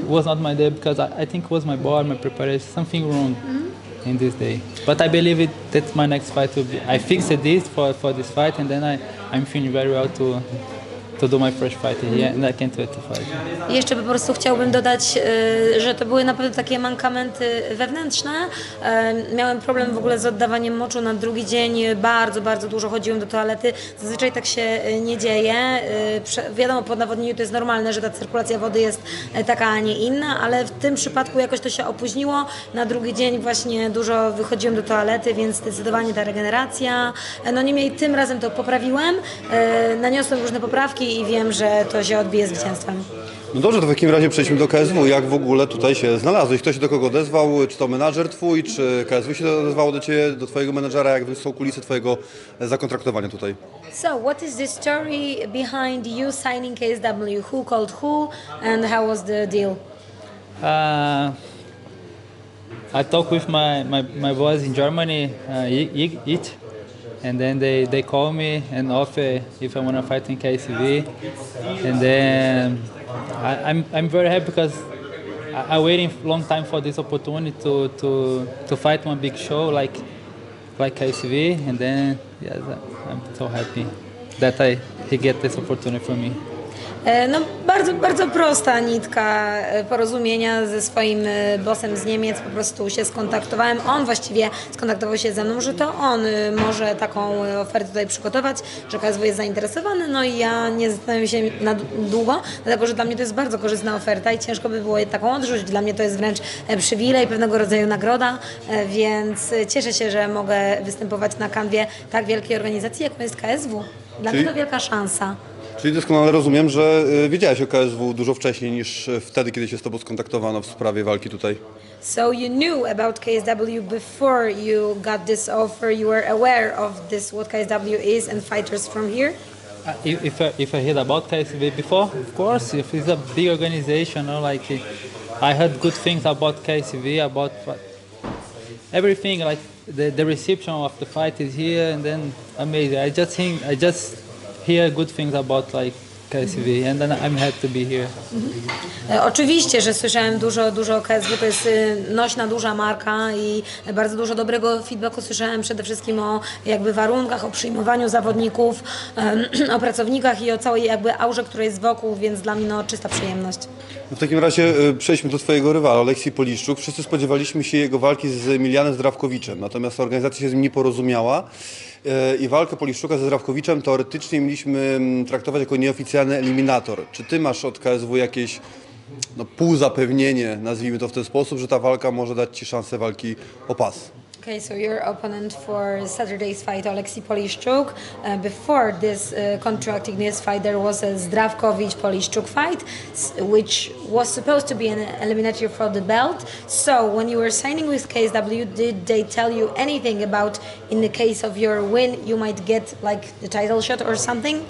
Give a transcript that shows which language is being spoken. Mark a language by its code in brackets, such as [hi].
[en] it was not my day, because I think it was my body, my preparation, something wrong. Mm-hmm. In this day, but I believe it. That's my next fight. To be. I fixed this for this fight, and then I'm feeling very well to do my first fight here, and I can't wait to fight. [pl] Jeszcze po prostu chciałbym dodać, że to były na pewno takie mankamenty wewnętrzne. Miałem problem w ogóle z oddawaniem moczu na drugi dzień. Bardzo, bardzo dużo chodziłem do toalety. Zazwyczaj tak się nie dzieje. Wiadomo, po nawodnieniu to jest normalne, że ta cyrkulacja wody jest taka, a nie inna, ale w tym przypadku jakoś to się opóźniło. Na drugi dzień właśnie dużo wychodziłem do toalety, więc zdecydowanie ta regeneracja. No niemniej tym razem to poprawiłem. Naniosłem różne poprawki i wiem, że to się odbije zwycięstwem. No dobrze, to w takim razie przejdźmy do KSW. Jak w ogóle tutaj się znalazłeś? Kto się do kogo odezwał? Czy to menadżer twój, czy KSW się odezwało do ciebie, do twojego menadżera? Jak są kulisy twojego zakontraktowania tutaj? [en] So, what is the story behind you signing KSW? Who called who and how was the deal? I talked with my boys in Germany, it. And then they call me and offer if I want to fight in KSV. And then I'm very happy, because I waiting long time for this opportunity to fight one big show like KSV. And then yes, I'm so happy that he get this opportunity for me. [pl] No, bardzo, bardzo prosta nitka porozumienia ze swoim bossem z Niemiec. Po prostu się skontaktowałem. On właściwie skontaktował się ze mną, że to on może taką ofertę tutaj przygotować, że KSW jest zainteresowany. No i ja nie zastanawiam się na długo, dlatego że dla mnie to jest bardzo korzystna oferta i ciężko by było taką odrzucić. Dla mnie to jest wręcz przywilej, pewnego rodzaju nagroda, więc cieszę się, że mogę występować na kanwie tak wielkiej organizacji, jaką jest KSW. Dla mnie to wielka szansa. Czyli doskonale rozumiem, że wiedziałaś o KSW dużo wcześniej niż wtedy, kiedy się z tobą skontaktowano w sprawie walki tutaj. [en] So you knew about KSW before you got this offer. You were aware of this, what KSW is and fighters from here? If I heard about KSW before, of course. If it's a big organization, no, like I heard good things about KSW, about everything, like the reception of the fight is here and then amazing. I just hear good things about like KSV, and then I'm happy to be here. [pl] Oczywiście, że słyszałem dużo, dużo o KSW, to jest nośna, duża marka i bardzo dużo dobrego feedbacku słyszałem, przede wszystkim o jakby warunkach, o przyjmowaniu zawodników, o pracownikach i o całej jakby aurze, która jest wokół, więc dla mnie no czysta przyjemność. W takim razie przejdźmy do twojego rywala, Oleksii Poliszczuk. Wszyscy spodziewaliśmy się jego walki z Milianem Zdrawkowiczem, natomiast organizacja się z nim nie porozumiała i walkę Poliszczuka ze Zdrawkowiczem teoretycznie mieliśmy traktować jako nieoficjalny eliminator. Czy ty masz od KSW jakieś no, półzapewnienie, nazwijmy to w ten sposób, że ta walka może dać ci szansę walki o pas? [en] Okay, so your opponent for Saturday's fight, Oleksii Poliszczuk. Before this contracting this fight, there was a Zdravkovic-Poliszczuk fight, which was supposed to be an eliminator for the belt. So when you were signing with KSW, did they tell you anything about, in the case of your win, you might get like the title shot or something?